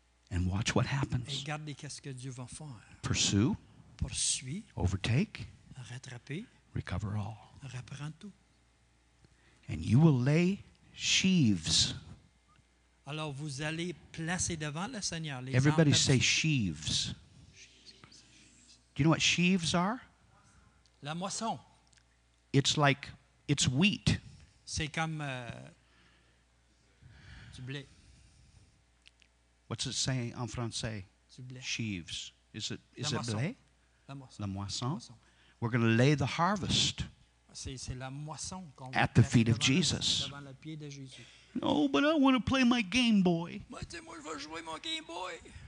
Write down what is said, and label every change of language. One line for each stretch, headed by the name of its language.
English: And watch what happens.
French: Et regardez qu'est-ce que Dieu va faire.
English: Pursue.
French: Poursuit.
English: Overtake.
French: Rattraper.
English: Recover all.
French: Reprends tout.
English: And you will lay sheaves.
French: Alors vous allez placer devant le Seigneur les
English: everybody say sheaves. Do you know what sheaves are?
French: La moisson.
English: It's like it's wheat.
French: C'est comme du blé.
English: What's it say
French: en français? Du blé.
English: Sheaves. Is
French: la
English: it blé?
French: La moisson. La moisson.
English: We're going to lay the harvest.
French: C'est la moisson qu'on
English: at the feet of Jesus.
French: Le pied de Jésus.
English: No, but I want to play my Game Boy.
French: Mais dis-moi, je veux jouer mon Game Boy.